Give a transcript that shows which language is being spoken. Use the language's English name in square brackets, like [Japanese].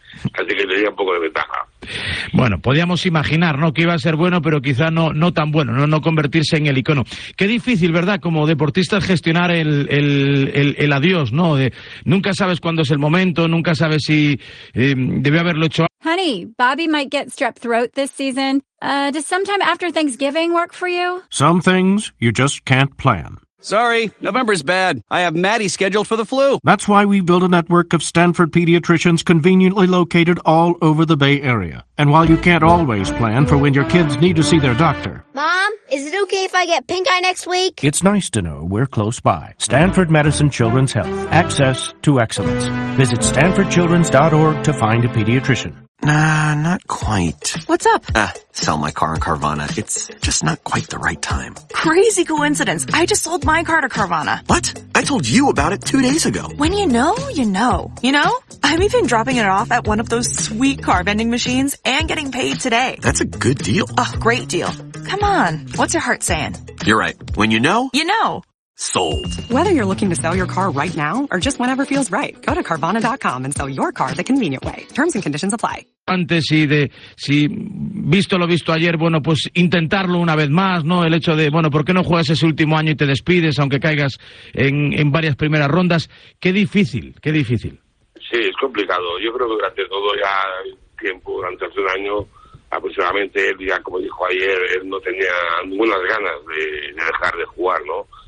[Spanish] Así que tenía un poco de ventaja. Bueno, podíamos imaginar, ¿no?, que iba a ser bueno, pero quizá no tan bueno, no convertirse en el icono. Qué difícil, ¿verdad?, como deportista, gestionar el adiós, ¿no? Nunca sabes cuándo es el momento, nunca sabes si debe haberlo hecho. [English] Honey, Bobby might get strep throat this season. Does sometime after Thanksgiving work for you? Some things you just can't plan. Sorry, November's bad. I have Maddie scheduled for the flu. That's why we built a network of Stanford pediatricians conveniently located all over the Bay Area. And while you can't always plan for when your kids need to see their doctor... Mom, is it okay if I get pink eye next week? It's nice to know we're close by. Stanford Medicine Children's Health. Access to excellence. Visit stanfordchildrens.org to find a pediatrician. Nah, not quite. What's up? Sell my car on Carvana. It's just not quite the right time. Crazy coincidence. I just sold my car to Carvana. What? I told you about it 2 days ago. When you know, you know. You know? I'm even dropping it off at one of those sweet car vending machines and getting paid today. That's a good deal. Oh, great deal. Come on. What's your heart saying? You're right. When you know, you know. Sold. Whether you're looking to sell your car right now or just whenever feels right, go to Carvana.com and sell your car the convenient way. Terms and conditions apply. [Spanish] Antes, y de si visto lo visto ayer, bueno, pues intentarlo una vez más, ¿no? El hecho de, bueno, ¿por qué no juegas ese último año y te despides, aunque caigas en varias primeras rondas? Qué difícil. Sí, es complicado. Yo creo que durante todo ya tiempo, durante hace un año aproximadamente, él ya, como dijo ayer, él no tenía ninguna ganas de dejar de jugar, ¿no?